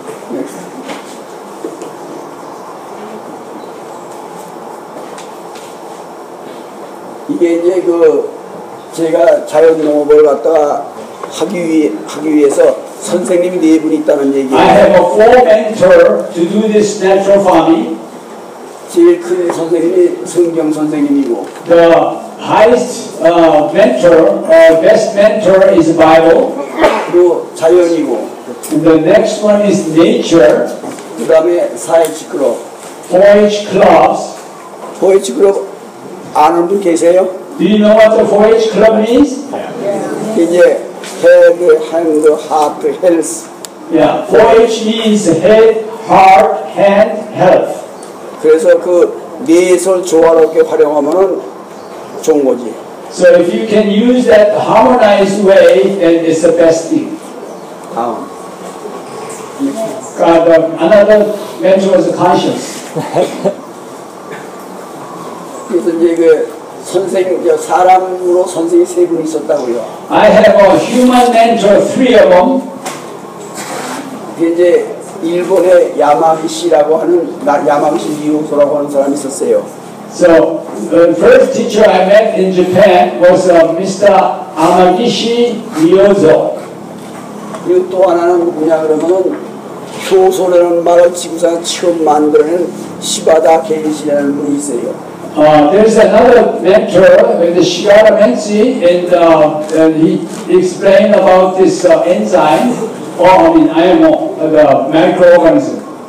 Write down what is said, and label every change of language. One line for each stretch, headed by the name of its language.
English: Next.
Korean: 이게 이제 그 제가 자연농업을 갖다가 하기 위해서 선생님이 네 분이 있다는 얘기예요.
English: I have a full mentor to do this natural farming.
Korean: 제일 큰 선생님이 성경 선생님이고
English: The highest mentor, best mentor is Bible.
Korean: 그리고 자연이고
English: And The next one is nature.
Korean: 그 다음에 4H 클럽
English: 4H clubs.
Korean: 4H 클럽 아는 분 계세요?
English: Do you know what the 4H club is? Yeah. Yeah. 헤드, 핸드, 하트, 헬스. Yeah, 4H means head, heart, hand, health.
Korean: 그래서 그 뇌에서 조화롭게 활용하면 좋은 거지.
English: So if you can use that harmonized way, then it's the best thing. Another mentor is conscious.
Korean: 그래서 이제 그 선생님, 사람으로 선생님 세 분이 있었다고요.
English: I have a human mentor, three of them.
Korean: 이제 일본의 야마기시라고 하는, 야마기시 미호소라고 하는 사람이 있었어요.
English: So, the first teacher I met in Japan was Mr.
Korean: 야마기시 미호소. 그리고 또 하나는 뭐냐 그러면 효소라는 말을 지구상 처음 만들어낸 시바다 게이시라는 분이 있어요.
English: There's another mentor, the Shigara Menzi, and he explained about this enzyme, IMO, the microorganism.